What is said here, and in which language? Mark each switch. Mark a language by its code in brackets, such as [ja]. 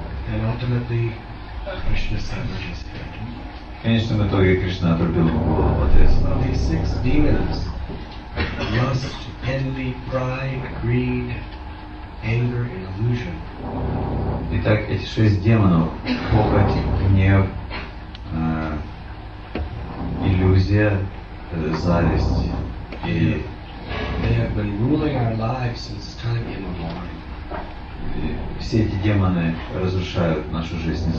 [en] And ultimately, Krishna severed his head. [ru] Конечно, в итоге Кришна отрубил ему голову в ответ. [en] These six demons, lust, envy, pride, greed, anger, and illusion. [ru] Итак, эти шесть демонов, похоть, гнев, иллюзия, зависть и... [en] They have been ruling our lives since time immemorial. [ru] Все эти демоны разрушают нашу жизнь из